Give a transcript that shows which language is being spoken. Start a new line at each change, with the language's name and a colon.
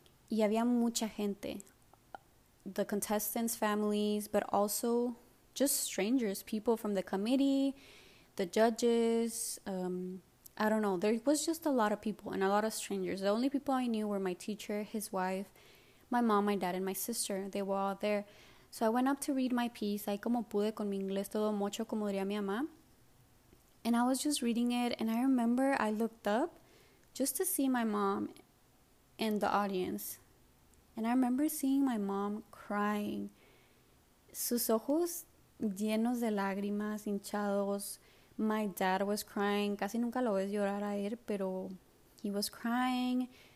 Spanish: Y había mucha gente.
English: The contestants' families, but also just strangers, people from the committee, the judges, I don't know. There was just a lot of people and a lot of strangers. The only people I knew were my teacher, his wife, my mom, my dad, and my sister. They were all there. So I went up to read my piece,
Spanish: ahí como pude con mi inglés todo mocho, como diría mi mamá.
English: And I was just reading it, and I remember I looked up just to see my mom in the audience. And I remember seeing my mom crying,
Spanish: sus ojos llenos de lágrimas, hinchados.
English: My dad was crying,
Spanish: casi nunca lo ves llorar a él, pero
English: he was crying.